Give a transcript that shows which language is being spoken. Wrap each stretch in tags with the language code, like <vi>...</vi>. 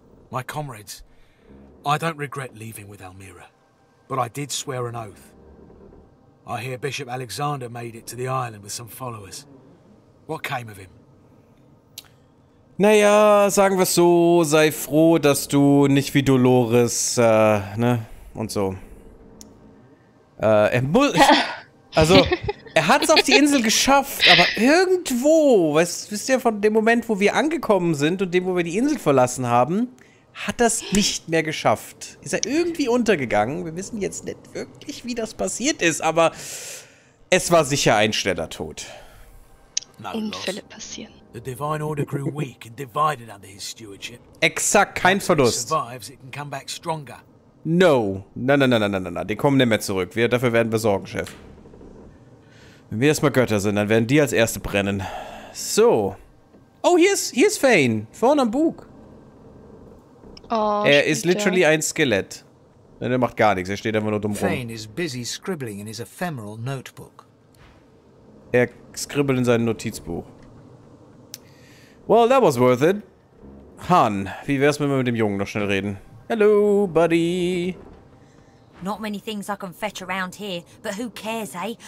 <en>My comrades, I don't regret leaving with Almira, but I did swear an oath. I hear Bishop Alexander made it to the island with some followers. What came of him?</en> <de>Naja, sagen wir es so, sei froh, dass du nicht wie Dolores, ne, und so. Also, er hat es auf die Insel geschafft, aber irgendwo, wisst ihr, von dem Moment, wo wir angekommen sind und dem, wo wir die Insel verlassen haben, hat er es nicht mehr geschafft. Ist er irgendwie untergegangen? Wir wissen jetzt nicht wirklich, wie das passiert ist, aber es war sicher ein schneller Tod. Unfälle passieren.</de> <en>The Divine Order grew weak and divided under his stewardship.</en> <de>Exakt, kein Verlust.</de> <en>Survives, it can come back stronger. No.</en> <de>Nein. Die kommen nicht mehr zurück. Dafür werden wir sorgen, Chef. Wenn wir erstmal Götter sind, dann werden die als Erste brennen. So. Oh, hier ist Fane. Vorne am Bug. Oh, er ist literally ein Skelett. Denn er macht gar nichts. Er steht einfach nur dumm</de> <en>rum. Fane is busy scribbling in his ephemeral notebook.</en> <de>Er scribbelt in seinem Notizbuch.</de> <en>Well, that was worth it.</en> <de>Han, wie wär's, wenn wir mit dem Jungen noch schnell reden?</de> <en>Hello, buddy. Not many things I can fetch around here, but who cares, eh?</en>